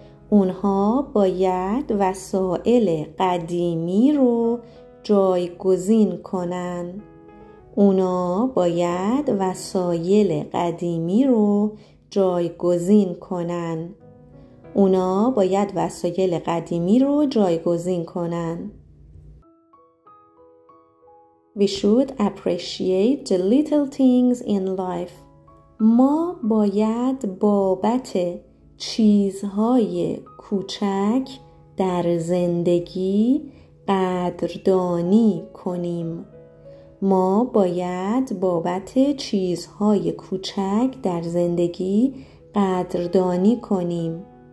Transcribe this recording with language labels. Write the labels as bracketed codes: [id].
[fa] اونها باید وسایل قدیمی رو جایگزین کنن. اونا باید وسایل قدیمی رو جایگزین کنن. اونا باید وسایل قدیمی رو جایگزین کنن. [en] We should appreciate the little things in life. [fa] ما باید بابت چیزهای کوچک در زندگی قدردانی کنیم. ما باید بابت چیزهای کوچک در زندگی قدردانی کنیم.